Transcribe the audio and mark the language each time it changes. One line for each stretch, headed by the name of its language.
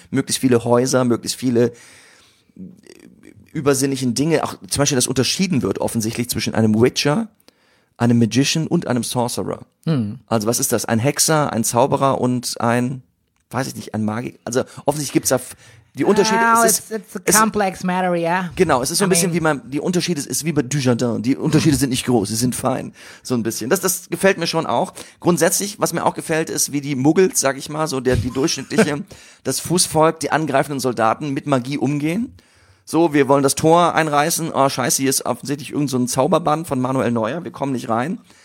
German: Möglichst viele Häuser, möglichst viele übersinnlichen Dinge, auch zum Beispiel, dass unterschieden wird offensichtlich zwischen einem Witcher, einem Magician und einem Sorcerer. Also was ist das? Ein Hexer, ein Zauberer und ein, weiß ich nicht, ein Magiker. Also offensichtlich gibt's da die Unterschiede.
English: Oh, it's a complex matter, yeah.
German: Genau, es ist so ein bisschen die Unterschiede ist wie bei Dujardin. Die Unterschiede sind nicht groß, sie sind fein. So ein bisschen. Das gefällt mir schon auch. Grundsätzlich, was mir auch gefällt, ist, wie die Muggels, sag ich mal, so die durchschnittliche, das Fußvolk, die angreifenden Soldaten mit Magie umgehen. So, wir wollen das Tor einreißen. Oh, scheiße, hier ist offensichtlich irgend so ein Zauberbann von Manuel Neuer. Wir kommen nicht rein.